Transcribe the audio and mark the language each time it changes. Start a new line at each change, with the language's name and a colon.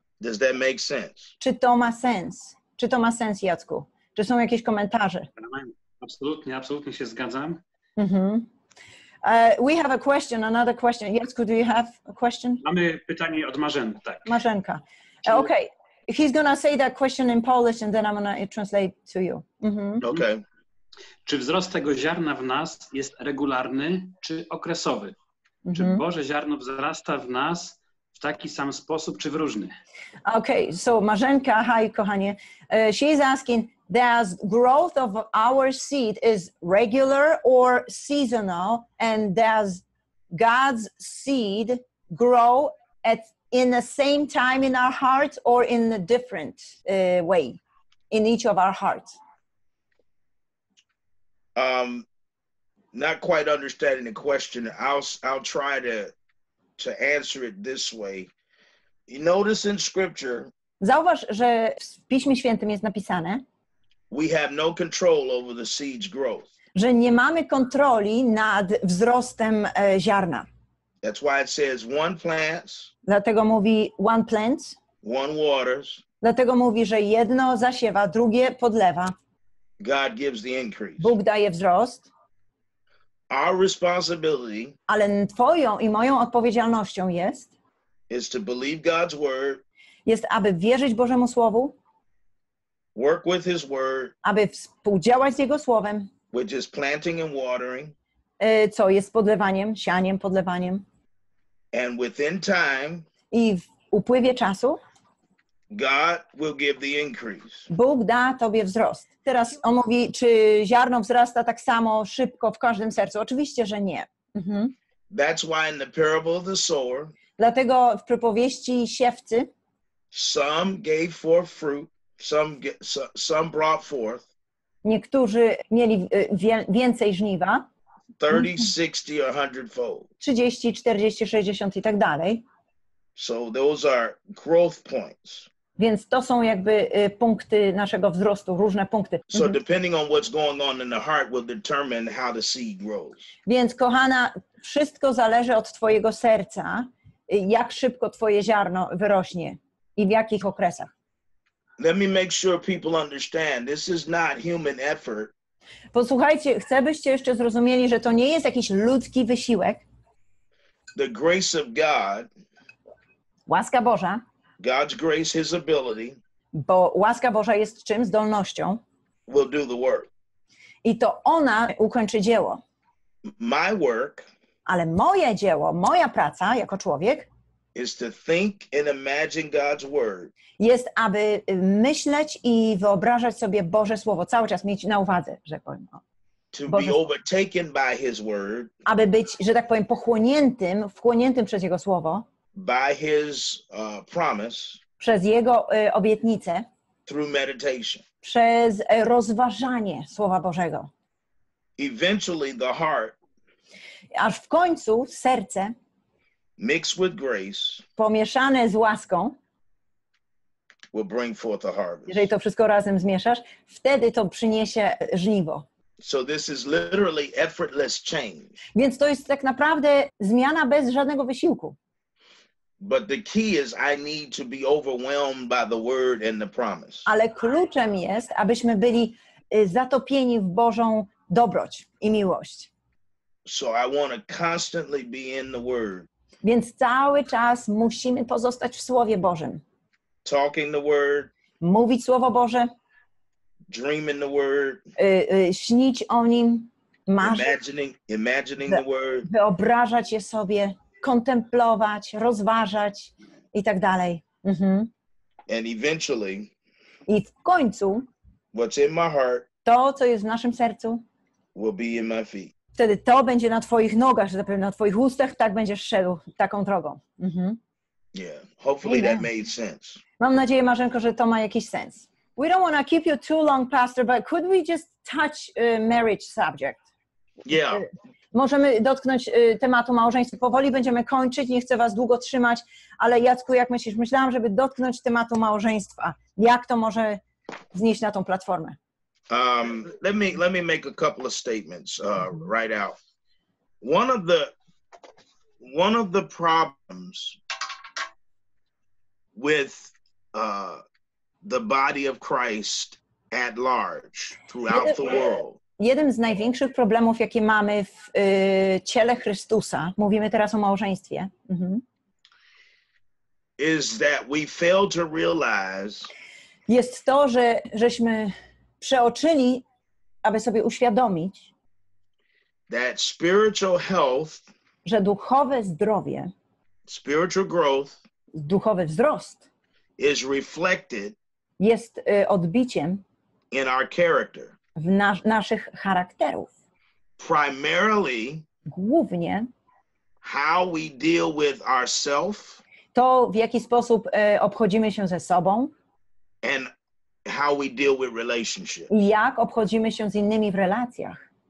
English: Does that make sense?
Polish: Czy to ma sens? Czy to ma sens, Jacku? Czy są jakieś komentarze? Absolutnie, absolutnie się zgadzam. Mm-hmm.
English: We have a question, another question. Jacku, do you have a question?
Polish: Mamy pytanie od Marzenki, tak.
English: Marzenka. Okay. He's gonna say that question in Polish and then I'm gonna translate to you. Mm-hmm. Okay.
Polish: Czy wzrost tego ziarna w nas jest regularny czy okresowy? Mm-hmm. Czy Boże ziarno wzrasta w nas w taki sam sposób, czy w różny?
English: Okay, so Marzenka, hi,
Polish: kochanie.
English: She's asking, does growth of our seed is regular or seasonal, and does God's seed grow at in the same time in our hearts or in a different way in each of our hearts? Not quite understanding the question. I'll try to answer it this way. You notice in scripture,
Polish: zauważ, że w Piśmie Świętym jest napisane,
English: we have no control over the seed's growth.
Polish: Że nie mamy kontroli nad wzrostem ziarna.
English: That's why it says one plants.
Polish: Dlatego mówi
English: one plants. One waters.
Polish: Dlatego mówi, że jedno zasiewa, drugie podlewa.
English: God gives the increase.
Polish: Bóg daje wzrost.
English: Our responsibility.
Polish: Ale twoją i moją odpowiedzialnością jest.
English: Is to believe God's word.
Polish: Jest, aby wierzyć Bożemu słowu.
English: Work with His word.
Polish: Aby współdziałać z Jego słowem.
English: Which is planting and watering.
Polish: Co jest podlewaniem, sianiem, podlewaniem.
English: And within time.
Polish: I w upływie czasu.
English: God will give the increase.
Polish: Bóg da tobie wzrost. Teraz on mówi, czy ziarno wzrasta tak samo szybko w każdym sercu? Oczywiście, że nie. Mhm.
English: That's why in the parable of the sower.
Polish: Dlatego w przypowieści siewcy.
English: Some gave forth fruit, some brought forth.
Polish: Niektórzy mieli więcej żniwa.
English: 30, 60, or 100 fold.
Polish: 30, 40, 60 i tak dalej.
English: So those are growth points.
Polish: Więc to są jakby punkty naszego wzrostu, różne punkty.
English: So depending on what's going on in the heart will determine how the seed grows.
Polish: Więc kochana, wszystko zależy od twojego serca, jak szybko twoje ziarno wyrośnie i w jakich okresach.
English: Let me make sure people understand, this is not human effort.
Polish: Posłuchajcie, chcę byście jeszcze zrozumieli, że to nie jest jakiś ludzki wysiłek.
English: The grace of God.
Polish: Łaska Boża.
English: God's grace, His ability.
Polish: Bo łaska Boża jest czym? Zdolnością.
English: Will do the work.
Polish: I to ona ukończy dzieło.
English: My work.
Polish: Ale moje dzieło, moja praca jako człowiek.
English: Is to think and imagine God's word.
Polish: Jest, aby myśleć i wyobrażać sobie Boże Słowo. Cały czas mieć na uwadze, że powiem. No.
English: To Boże be overtaken by His word.
Polish: Aby być, że tak powiem, pochłoniętym, wchłoniętym przez Jego Słowo.
English: By His promise.
Polish: Przez Jego obietnicę.
English: Through meditation.
Polish: Przez rozważanie Słowa Bożego.
English: Eventually the heart.
Polish: Aż w końcu serce.
English: Mixed with grace.
Polish: Pomieszane z łaską.
English: Will bring forth a harvest.
Polish: Jeżeli to wszystko razem zmieszasz, wtedy to przyniesie żniwo.
English: So this is literally effortless change.
Polish: Więc to jest tak naprawdę zmiana bez żadnego wysiłku.
English: But the key is I need to be overwhelmed by the word and the promise.
Polish: Ale kluczem jest, abyśmy byli zatopieni w Bożą dobroć i miłość.
English: So I want to constantly be in the word.
Polish: Więc cały czas musimy pozostać w Słowie Bożym.
English: Talking the word.
Polish: Mówić Słowo Boże.
English: Dreaming the word.
Polish: Śnić o nim, marzyć.
English: Imagining the word.
Polish: Wyobrażać je sobie. Kontemplować, rozważać i tak dalej. Mhm.
English: And eventually,
Polish: i w końcu
English: what's in my heart,
Polish: to, co jest w naszym sercu,
English: will be in my feet.
Polish: Wtedy to będzie na twoich nogach, zapewne na twoich ustach, tak będziesz szedł taką drogą. Mhm.
English: Yeah, hopefully that made sense.
Polish: Mam nadzieję, Marzenko, że to ma jakiś sens.
English: We don't want to keep you too long, Pastor, but could we just touch marriage subject? Yeah.
Polish: Możemy dotknąć tematu małżeństwa. Powoli będziemy kończyć, nie chcę was długo trzymać, ale Jacku, jak myślisz? Myślałam, żeby dotknąć tematu małżeństwa. Jak to może znieść na tą platformę?
English: Let me make a couple of statements right out. One of the problems with the body of Christ at large throughout the world.
Polish: Jeden z największych problemów, jakie mamy w ciele Chrystusa, mówimy teraz o małżeństwie,
English: is that we fail to realize,
Polish: jest to, że żeśmy przeoczyli, aby sobie uświadomić,
English: that spiritual health,
Polish: że duchowe zdrowie,
English: spiritual growth,
Polish: duchowy wzrost
English: is reflected,
Polish: jest odbiciem
English: in our character.
Polish: W naszych charakterów.
English: Primarily,
Polish: głównie
English: how we deal with ourselves,
Polish: to w jaki sposób obchodzimy się ze sobą
English: and how we deal with relationships.
Polish: I jak obchodzimy się z innymi w relacjach.